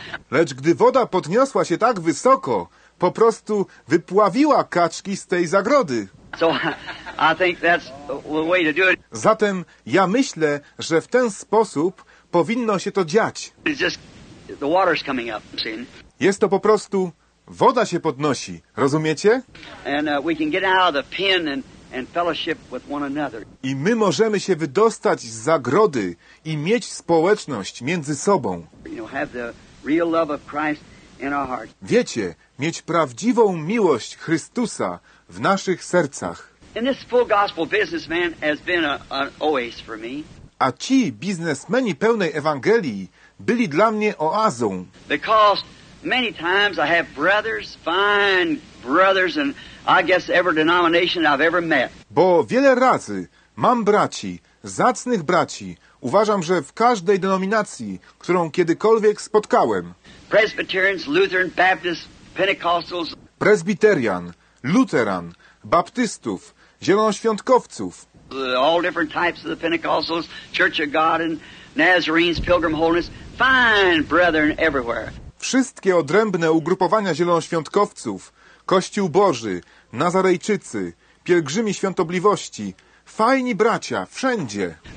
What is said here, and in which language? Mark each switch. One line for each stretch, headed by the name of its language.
Polish: Lecz gdy woda podniosła się tak wysoko, po prostu wypławiła kaczki z tej zagrody.
English: So, I think that's the way to do it.
Polish: Zatem ja myślę, że w ten sposób powinno się to dziać.
English: It's just, the water's coming up, see?
Polish: Jest to po prostu Woda się podnosi, rozumiecie?
English: And we can get out of the pen and fellowship with one another.
Polish: I my możemy się wydostać z zagrody i mieć społeczność między sobą.
English: You know, have the real love of Christ in our heart.
Polish: Wiecie, mieć prawdziwą miłość Chrystusa w naszych sercach.
English: And this full gospel businessman has been an oasis for me.
Polish: A ci biznesmeni pełnej Ewangelii byli dla mnie oazą.
English: Because many times I have brothers, fine brothers, and I guess every denomination I've ever met.
Polish: Bo wiele razy mam braci, zacnych braci, uważam, że w każdej denominacji, którą kiedykolwiek spotkałem.
English: Presbyterians, Lutheran, Baptists, Pentecostals.
Polish: Presbyterian, Lutheran, Baptystów, Zielonoświątkowców.
English: All different types of the Pentecostals, Church of God and Nazarenes, Pilgrim Holiness, fine brethren everywhere.
Polish: Wszystkie odrębne ugrupowania zielonoświątkowców, Kościół Boży, Nazarejczycy, Pielgrzymi Świątobliwości, fajni bracia, wszędzie.